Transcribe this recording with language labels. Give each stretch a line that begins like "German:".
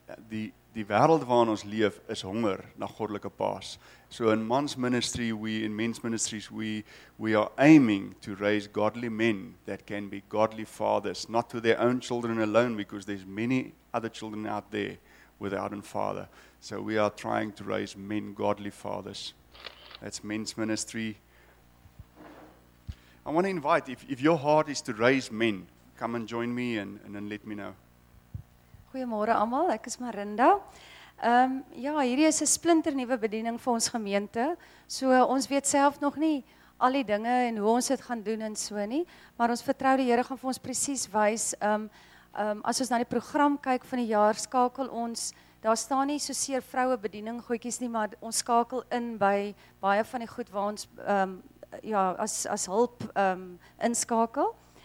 Afrikaans: Die wêreld waarin ons leef is honger na goddelike paas.
English: So in men's ministry, we are aiming to raise godly men that can be godly fathers, not to their own children alone, because there's many other children out there without a father. So we are trying to raise men godly fathers. That's men's ministry. I want to invite, if your heart is to raise men, come and join me and then let me know.
Afrikaans: Goeiemôre almal, ek is Marinda. Ja, hierdie is 'n splinternuwe bediening vir ons gemeente. So ons weet self nog nie al die dinge en hoe ons dit gaan doen en so nie, maar ons vertrou die Here gaan vir ons presies wys. As ons na die program kyk van die jaar, skakel ons, daar staan nie so seer vroue bediening goedjies nie, maar ons skakel in by baie van die goed waar ons as hulp inskakel.